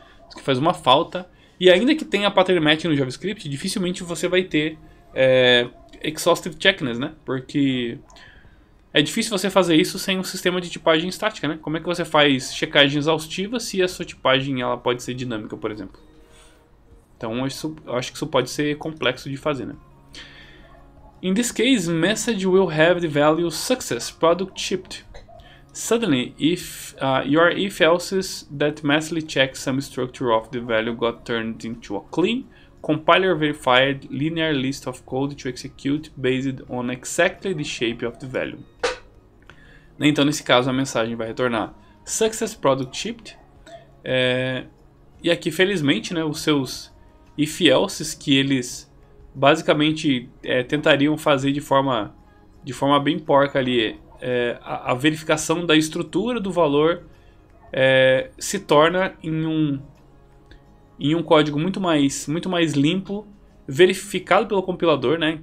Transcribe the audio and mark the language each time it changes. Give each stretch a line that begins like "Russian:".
Portuguese: Isso aqui faz uma falta. E ainda que tenha pattern matching no JavaScript, dificilmente você vai ter exhaustive checkness, né? Porque é difícil você fazer isso sem um sistema de tipagem estática, né? Como é que você faz checagem exaustiva se a sua tipagem ela pode ser dinâmica, por exemplo? Então isso, eu acho que isso pode ser complexo de fazer, né?
English: In this case, message will have the value success, product shipped. Suddenly, if your if else's that massively checks some structure of the value got turned into a clean, compiler verified linear list of code to execute based on exactly the shape of the value.
Portuguese: Né? Então, nesse caso, a mensagem vai retornar
English: success product shipped.
Portuguese: E aqui, felizmente, né, os seus if else's que eles basicamente tentariam fazer de forma bem porca ali, a verificação da estrutura do valor se torna em um código muito mais limpo, verificado pelo compilador, né?